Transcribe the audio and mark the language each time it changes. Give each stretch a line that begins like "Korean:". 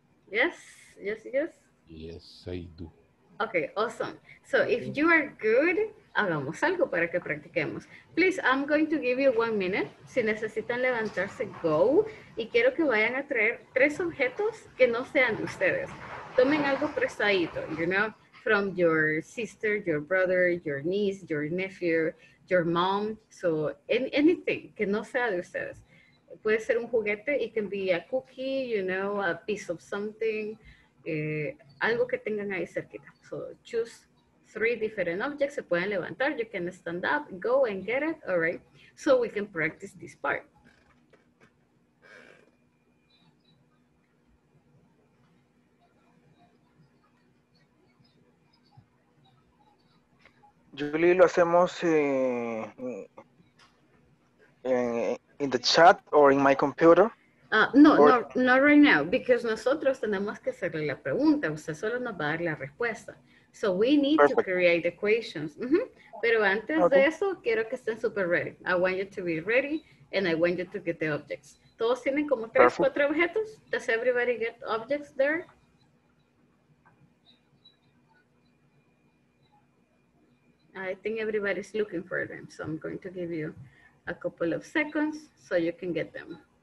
English: Yes, yes, yes. Yes, I do. Okay, awesome. So if you are good,
Spanish: hagamos algo para que practiquemos.
English: Please, I'm going to give you 1 minute.
Spanish: Si necesitan levantarse,
English: go.
Spanish: Y quiero que vayan a traer 3 objetos que no sean de ustedes. Tomen algo prestadito,
English: you know, from your sister, your brother, your niece, your nephew, your mom. So anything
Spanish: que no sea de ustedes. Puede ser un juguete.
English: It can be a cookie, you know, a piece of something.
Spanish: Algo que tengan ahí cerquita.
English: So choose 3 different objects.
Spanish: Se pueden levantar.
English: You can stand up, go and get it. All right. So we can practice this part. Julie,
Spanish: lo hacemos
English: in the chat or in my computer? Not right now, because
Spanish: nosotros tenemos que hacerle la pregunta. Usted solo nos va a dar la respuesta.
English: So we need to create the questions.
Spanish: Mm-hmm. Pero antes de eso, quiero que estén super ready.
English: I want you to be ready, and I want you to get the objects.
Spanish: ¿Todos tienen como 3-4 objetos?
English: Does everybody get objects there? I think everybody's looking for them. So I'm going to give you a couple of seconds so you can get them.